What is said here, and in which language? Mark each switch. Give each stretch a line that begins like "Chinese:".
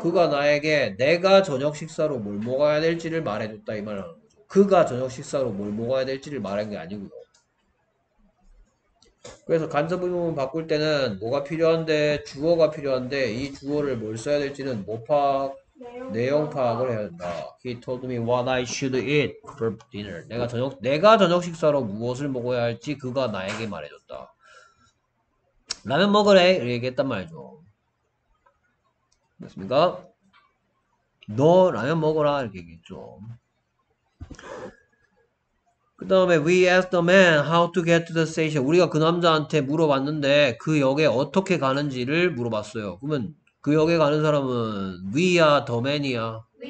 Korean: 그가 나에게 내가 저녁 식사로 뭘 먹어야 될지를 말해줬다 이 말을 하는 거죠. 그가 저녁 식사로 뭘 먹어야 될지를 말한 게 아니고요. 그래서 간접 의문문 바꿀 때는 뭐가 필요한데 주어가 필요한데 이 주어를 뭘 써야 될지는 뭐 파악? 내용 파악을 해야 된다.
English: He told me what I should eat for dinner.
Korean: 내가 저녁 식사로 무엇을 먹어야 할지 그가 나에게 말해줬다. 라면 먹으래. 이렇게 했단 말이죠. 맞습니까? 너 라면 먹어라. 이렇게 얘기했죠. 그 다음에
English: we asked the man how to get to the station.
Korean: 우리가 그 남자한테 물어봤는데 그 역에 어떻게 가는지를 물어봤어요. 그러면 그 역에 가는 사람은 위야, 더맨이야.